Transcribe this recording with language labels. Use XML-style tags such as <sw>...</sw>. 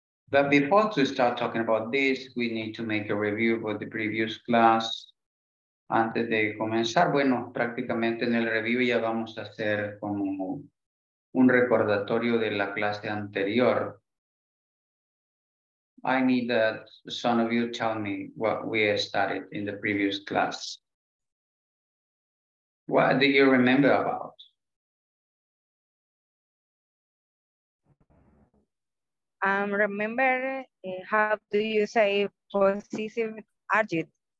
<en>But before to start talking about this, we need to make a review of the previous class.</en> <es>Antes de comenzar, bueno, prácticamente en el review ya vamos a hacer como un recordatorio de la clase anterior.</es> <en>I need that some of you tell me what we studied in the previous class. What do you remember about? Remember how do you say possessive adjective?</en>